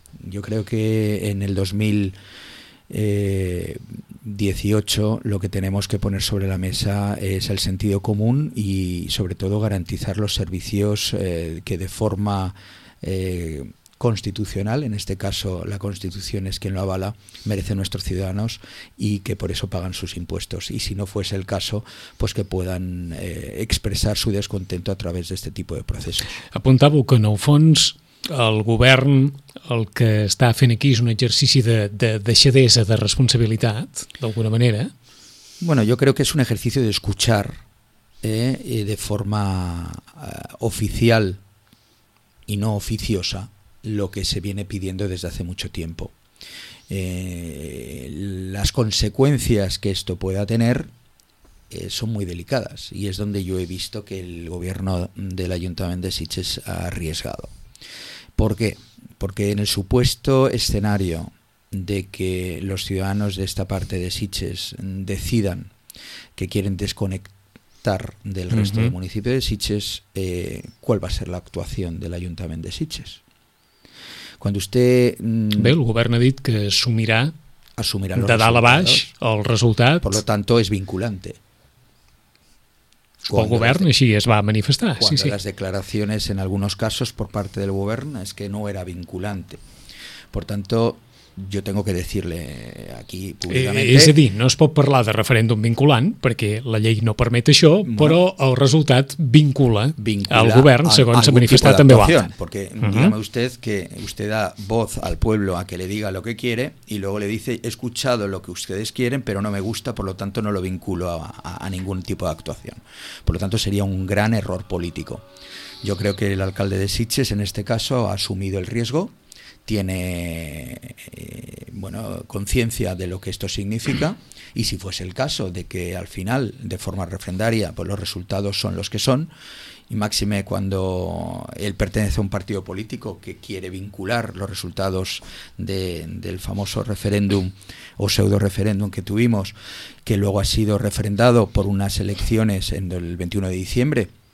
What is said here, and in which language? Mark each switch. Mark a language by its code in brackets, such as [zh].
[es] Yo creo que en el 2018 lo que tenemos que poner sobre la mesa es el sentido común y sobre todo garantizar los servicios que de forma constitucional, en este caso la Constitución es quien lo avala, merecen nuestros ciudadanos y que por eso pagan sus impuestos. Y si no fuese el caso, pues que puedan expresar su descontento a través de este tipo de procesos. [ca] Apuntava que en el fons el govern el que està fent aquí és un exercici de deixadesa de responsabilitat, d'alguna manera. [es] Bueno, yo creo que es un ejercicio de escuchar de forma oficial y no oficiosa lo que se viene pidiendo desde hace mucho tiempo. Las consecuencias que esto pueda tener son muy delicadas y es donde yo he visto que el gobierno del Ayuntamiento de Sitges ha arriesgado. ¿Por qué? Porque en el supuesto escenario de que los ciudadanos de esta parte de Sitges decidan que quieren desconectar del resto del municipio de Sitges, ¿cuál va a ser la actuación del Ayuntamiento de Sitges? Cuando usted... [ca] Bé, el govern ha dit que assumirà de dalt a baix el resultat. [es] Por lo tanto, es vinculante. [ca] El govern així es va manifestar. [es] Cuando las declaraciones, en algunos casos, por parte del govern, es que no era vinculante. Por tanto, Yo tengo que decirle aquí públicamente... [ca] És a dir, no es pot parlar de referèndum vinculant, perquè la llei no permet això, bueno, però el resultat vincula al govern, segons s'ha manifestat també Baza. [es] Porque dígame usted que usted da voz al pueblo a que le diga lo que quiere y luego le dice, he escuchado lo que ustedes quieren, pero no me gusta, por lo tanto no lo vinculo a ningún tipo de actuación. Por lo tanto sería un gran error político. Yo creo que el alcalde de Sitges en este caso ha asumido el riesgo, tiene bueno, conciencia de lo que esto significa, y si fuese el caso de que al final, de forma refrendaria, pues los resultados son los que son, y máxime cuando él pertenece a un partido político que quiere vincular los resultados del famoso referéndum o pseudo referéndum que tuvimos, que luego ha sido refrendado por unas elecciones en el 21 de diciembre,